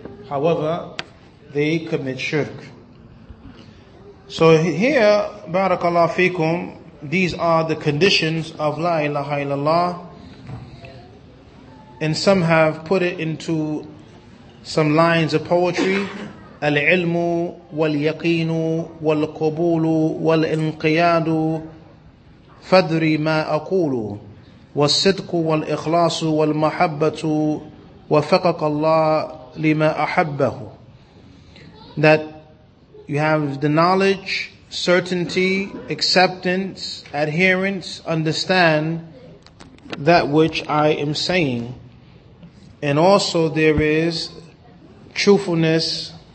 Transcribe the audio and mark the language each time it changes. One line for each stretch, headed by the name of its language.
English: However, they commit shirk. So here, barakallahu fikum, these are the conditions of la ilaha illallah. And some have put it into some lines of poetry.
Arabic: العلم واليقين والقبول والانقياد فدري ما أقول والصدق والإخلاص والمحبة وفقك الله لما أحبه.
English: That you have the knowledge, certainty, acceptance, adherence, understand that which I am saying. And also there is truthfulness.